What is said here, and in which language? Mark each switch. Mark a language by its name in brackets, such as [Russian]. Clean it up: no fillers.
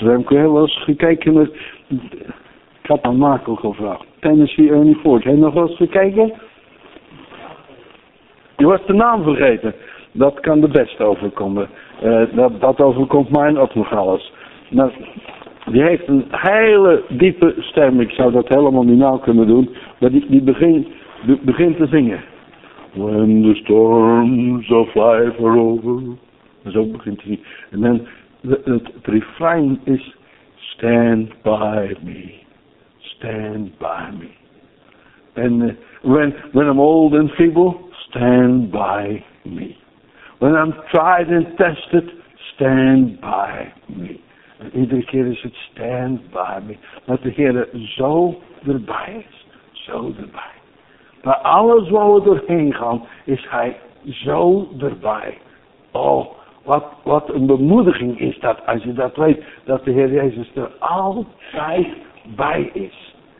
[Dutch] We hebben wel eens gekeken met... Ik had aan Marco gevraagd. Tennessee Ernie Ford. Heb je nog wel eens gekeken? Je was de naam vergeten. Dat kan de beste overkomen. Dat overkomt mij ook nog alles. Nou, die heeft een hele diepe stem. Ik zou dat helemaal niet nauw kunnen doen. Maar die begint te zingen. [English] When the storms of life are over. [Dutch] En zo begint hij. En dan het refrein is. [English] Stand by me. Stand by me. And when I'm old and feeble. Stand by me. When I'm tried and tested. Stand by me. [Dutch] En iedere keer is het [English] stand by me. [Dutch] Dat de Heer zo erbij is. Zo erbij. Bij alles waar we doorheen gaan, is hij zo erbij. Oh, wat een bemoediging is dat, als je dat weet, dat de Heer Jezus er altijd bij is.